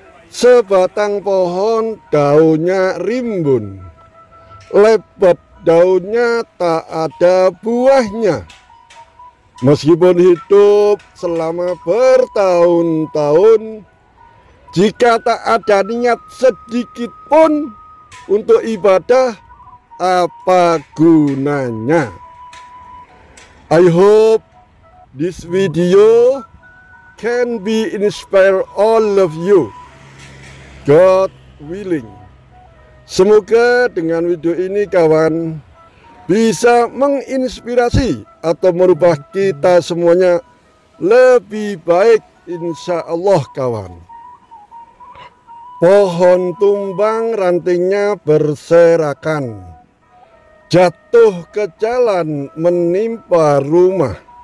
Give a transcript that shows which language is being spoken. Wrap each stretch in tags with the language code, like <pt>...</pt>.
<id>Sebatang pohon daunnya rimbun, lebat daunnya tak ada buahnya. Meskipun hidup selama bertahun-tahun, jika tak ada niat sedikit pun untuk ibadah, apa gunanya?</id> <en>I hope this video can be inspire all of you. God willing.</en> <id>Semoga dengan video ini, kawan, bisa menginspirasi atau merubah kita semuanya lebih baik, insya Allah, kawan. Pohon tumbang rantingnya berserakan, jatuh ke jalan menimpa rumah.</id>